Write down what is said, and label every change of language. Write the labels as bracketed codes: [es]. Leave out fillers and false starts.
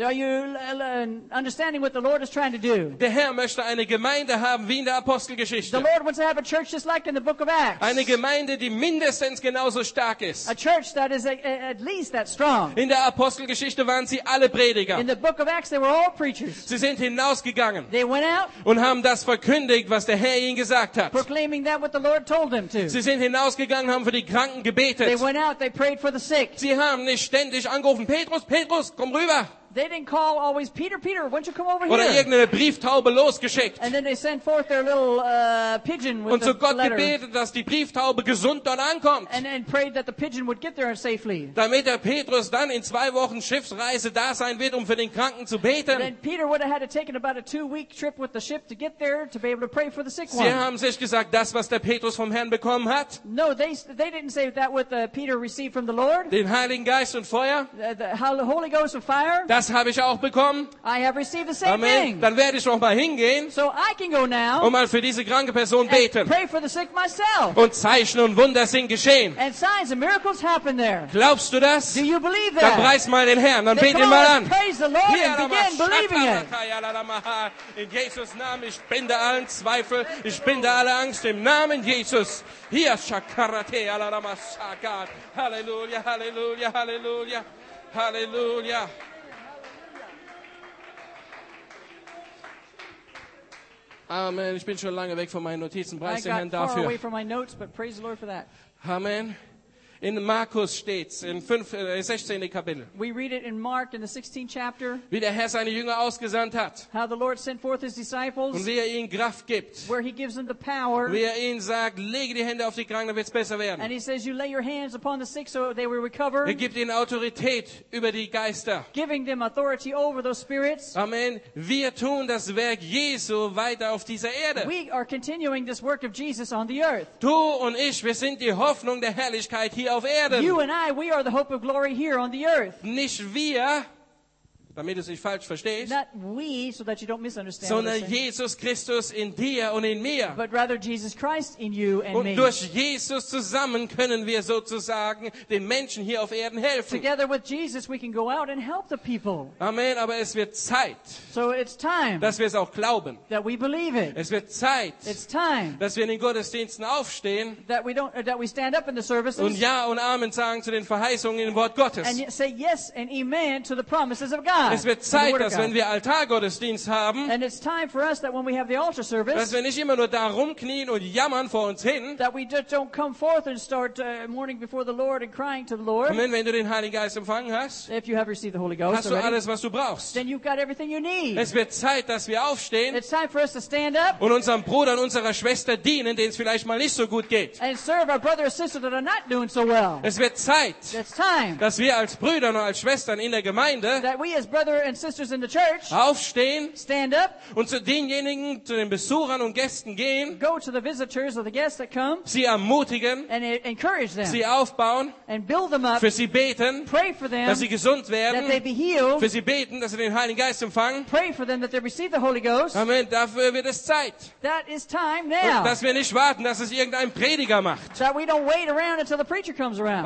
[en] Are you understanding what the Lord is trying to do? [de] Der Herr möchte eine Gemeinde haben wie in der Apostelgeschichte. [en] The Lord wants to have a church just like in the Book of Acts. [de] Eine Gemeinde, die mindestens genauso stark ist. [en] A church that is at least that strong. [de] In der Apostelgeschichte waren sie alle Prediger. [en] In the Book of Acts, they were all preachers. [de] Sie sind hinausgegangen. [en] They went out [de] und haben das verkündigt, was der Herr ihnen gesagt hat. [en] Proclaiming that what the Lord told them to. [de] Sie sind hinausgegangen, haben für die Kranken gebetet. [en] They went out, they prayed for the sick. [de] Sie haben nicht ständig angerufen, Petrus, Petrus, komm rüber. [en] They didn't call always, Peter, Peter, why don't you come over [de] oder [en] here? [de] Oder irgendeine Brieftaube losgeschickt. [en] And then they sent forth their little pigeon with [de] und [en] the [de] zu Gott [en] letter. [de] Gebetet, dass die Brieftaube gesund dort ankommt. [en] And prayed that the pigeon would get there safely. [de] Damit der Petrus dann in 2 Wochen Schiffsreise da sein wird, um für den Kranken zu beten. [en] And then Peter would have had to take about a 2-week trip with the ship to get there to be able to pray for the sick [de] sie [en] one. [de] Sie haben sich gesagt, das, was der Petrus vom Herrn bekommen hat. [en] No, they didn't say that what Peter received from the Lord. [de] Den Heiligen Geist und Feuer. [en] The Holy Ghost and fire. [de] Das habe ich auch bekommen. [en] I have received the same [de] amen. [en] Thing. [de] Dann werde ich noch mal hingehen [en] so I can go now [de] und mal für diese kranke Person [en] and [de] beten. [en] Pray for the sick myself. [de] Und Zeichen und Wunder sind geschehen. [en] And signs and miracles happen there. [de] Glaubst du das? [en] Do you believe that? [de] Dann preis mal den Herrn. Dann bete ihn mal an. [en] Praise the Lord and begin believing it. [de] In Jesus' Namen, ich binde allen Zweifel. Ich binde alle Angst im Namen Jesus. Hier, Shakarate, Alaramashakar. Halleluja, Halleluja, Halleluja, Halleluja. Amen. Ich bin schon lange weg von meinen Notizen. Preis den Herrn dafür. [en] Away from my notes, but praise the Lord for that. [de] Amen. In Markus steht es, im 16. Kapitel. [en] We read it in Mark in the 16th chapter. [de] Wie der Herr seine Jünger ausgesandt hat. [en] How the Lord sent forth his disciples. [de] Und wie er ihnen Kraft gibt. [en] Where he gives them the power. [de] Wie er ihnen sagt, lege die Hände auf die Kranken, dann wird es besser werden. [en] And he says, you lay your hands upon the sick so they will recover. [de] Er gibt ihnen Autorität über die Geister. [en] Giving them authority over those spirits. [de] Amen. Wir tun das Werk Jesu weiter auf dieser Erde. [en] We are continuing this work of Jesus on the earth. [de] Du und ich, wir sind die Hoffnung der Herrlichkeit hier auf Erden. [en] You and I, we are the hope of glory here on the earth. [de] Nicht wir, damit du es nicht falsch verstehst. [en] Not we, so that you don't misunderstand. [de] Sondern Jesus Christus in dir und in mir. [en] But rather Jesus Christ in you and me. [de] Und durch Jesus zusammen können wir sozusagen den Menschen hier auf Erden helfen. [en] Together with Jesus, we can go out and help the people. [de] Amen. Aber es wird Zeit. [en] So it's time. [de] Dass wir es auch glauben. [en] That we believe it. [de] Es wird Zeit. [en] It's time. [de] Dass wir in den Gottesdiensten aufstehen. [en] That we stand up in the services. [de] Und ja und Amen sagen zu den Verheißungen im Wort Gottes. [en] And say yes and amen to the promises of God. [de] Es wird Zeit, dass wenn wir Altargottesdienst haben, [en] and it's time for us that when we have the altar service, [de] dass wir nicht immer nur da rumknien und jammern vor uns hin, [en] that we just don't come forth and start mourning before the Lord and crying to the Lord. [de] Amen. Wenn du den Heiligen Geist empfangen hast, [en] if you have received the Holy Ghost, [de] hast du alles, was du brauchst. [en] Then you've got everything you need. [de] Es wird Zeit, dass wir aufstehen, [en] it's time for us to stand up, [de] und unserem Bruder und unserer Schwester dienen, denen es vielleicht mal nicht so gut geht, [en] and serve our brother or sister that are not doing so well. [de] Es wird Zeit, [en] it's time, [de] dass wir als Brüder und als Schwestern in der Gemeinde, [en] that we as brother and sisters in the church, [de] aufstehen, [en] stand up, [de] und zu denjenigen, zu den Besuchern und Gästen gehen, [en] go to the visitors or the guests that come, [de] sie ermutigen, [en] and encourage them, [de] sie aufbauen, [en] and build them up, [de] für sie beten, [en] pray for them, [de] dass sie gesund werden, [en] that they be healed, [de] für sie beten, dass sie den Heiligen Geist empfangen, [en] pray for them that they receive the Holy Ghost. [de] Amen. Dafür wird es Zeit. [en] That is time now. [de] Und dass wir nicht warten, dass es irgendein Prediger macht. [en] That we don't wait around until the preacher comes around.